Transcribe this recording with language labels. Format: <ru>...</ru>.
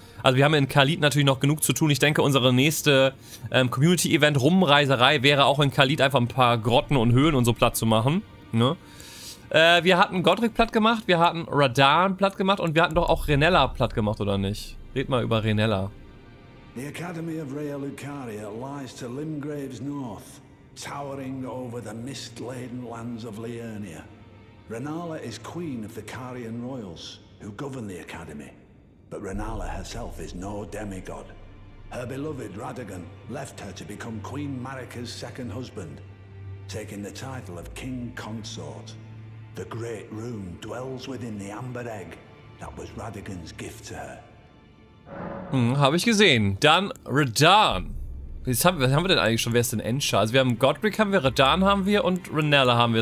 <de>Also wir haben in Kalid natürlich noch genug zu tun. Ich denke, unsere nächste Community-Event-Rumreiserei wäre auch in Kalid einfach ein paar Grotten und Höhlen und so platt zu machen. Ne? Wir hatten Godric platt gemacht, wir hatten Radahn platt gemacht und wir hatten doch auch Renella platt gemacht, oder nicht? Red mal über Renella.</de> <en>The Academy of Rhea Lucaria lies to Limgrave's north, towering over the mist-laden lands of Liurnia. Renala is queen of the Carian royals, who govern the Academy. But Renala herself is no demigod. Her beloved Radagon left her to become Queen Marika's second husband, taking the title of King Consort. The Great Rune dwells within the Amber Egg that was Radagon's gift to her.</en> <de>Habe ich gesehen. Dann Radahn. Was haben wir denn eigentlich schon? Wer ist denn Ensha? Also wir haben Godric, haben wir Radahn, haben wir und Renala haben wir.</de>